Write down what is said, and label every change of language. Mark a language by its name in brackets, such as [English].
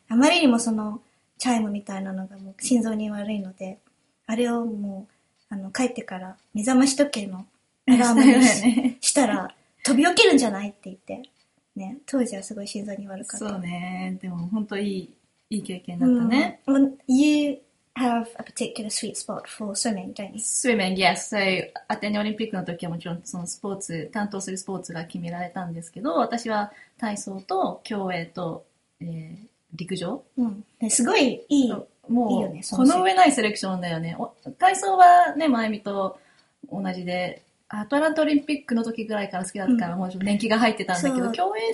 [Japanese] あまりにもその、チャイムみたいなのがもう心臓に悪いので、あれをもうあの帰ってから目覚まし時計のアラームにしたら飛び起きるんじゃないって言って、ね、当時はすごい心臓に悪かった。そうね、でも本当いい経験だったね、う [English] ん、You have a particular sweet spot for swimming, don't you? Swimming, yes. [Japanese] So, アテネオリンピックの時はもちろんそのスポーツ担当するスポーツが決められたんですけど、私は体操と競泳と、陸上、うん、すごいいい、もういいよね、この上ないセレクションだよね。体操はね、まゆみと同じで、アトランタオリンピックの時ぐらいから好きだったから、うん、もうちょっと年季が入ってたんだけど、競泳